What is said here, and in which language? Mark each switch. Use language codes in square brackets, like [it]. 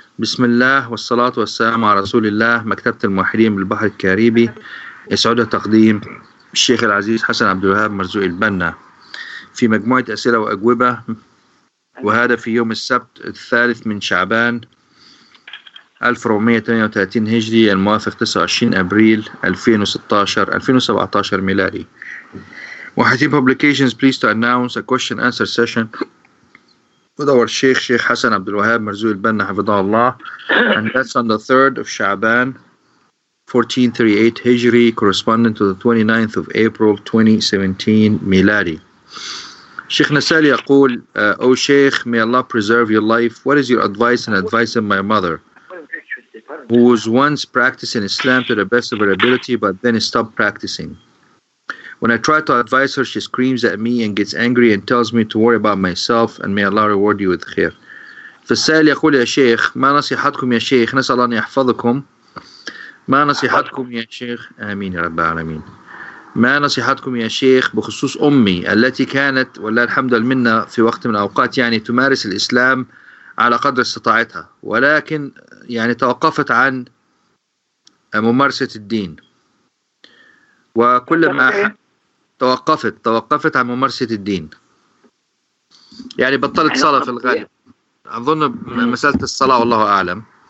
[ar] بسم الله والصلاة والسلام على رسول الله. مكتبة الموحدين بالبحر الكاريبي يسعد تقديم الشيخ العزيز حسن عبد الوهاب مرزوق البنا في مجموعة أسئلة وأجوبة، وهذا في يوم السبت الثالث من شعبان 1438 هجري الموافق 29 أبريل 2017 ميلادي. [en] موحدين Publications please to announce a question answer session. [ar] ودور الشيخ شيخ حسن عبد الوهاب مرزوق البنا حفظه الله. [en] And that's on the 3rd of Shaban 1438 Hijri, corresponding to the 29th of April 2017 ميلادي. [ar] شيخ نسال يقول: [en] O Sheikh, may Allah preserve your life. What is your advice and advice of my mother, who was once practicing Islam to the best of her ability, but then stopped practicing? When I try to advise her, she screams at me and gets angry and tells me to worry about myself, and may Allah reward you with khair. [ar] فالسائل يقول: يا شيخ ما نصيحتكم يا شيخ؟ نسأل الله أن يحفظكم. ما نصيحتكم يا شيخ؟ آمين يا رب العالمين. ما نصيحتكم يا شيخ بخصوص أمي التي كانت والله الحمد المنة في وقت من الأوقات يعني تمارس الإسلام على قدر استطاعتها، ولكن يعني توقفت عن ممارسة الدين، وكل ما توقفت عن ممارسة الدين يعني بطلت صلاة في الغالب، أظن مسألة الصلاة والله أعلم.